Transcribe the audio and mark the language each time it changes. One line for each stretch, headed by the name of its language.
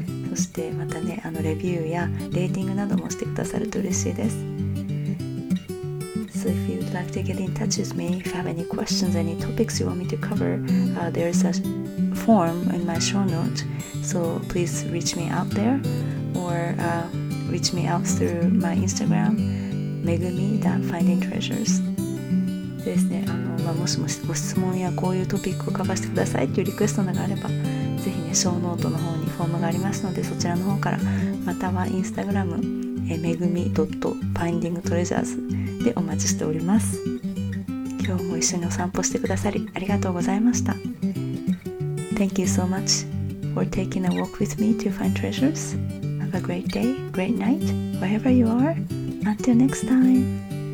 Japanese: そしてまたね、レビューやレーティングなどもしてくださると嬉しいです。
English: So if you'd like to get in touch with me, if you have any questions, any topics you want me to cover, there is a form in my show notes, so please reach me out there. or reach me out through my Instagram megumi.findingtreasures ですね。
Japanese: もしもしご質問やこういうトピックを書かせてくださいっていうリクエストなどがあれば、ぜひね、ショーノートの方にフォームがありますので、そちらの方から、またはインスタグラムめぐみ .findingtreasures でお待ちしております。今日も一緒にお散歩してくださりありがとうございました。
English: Thank you so much for taking a walk with me to find treasures. Have a great day, great night, wherever you are. Until next time.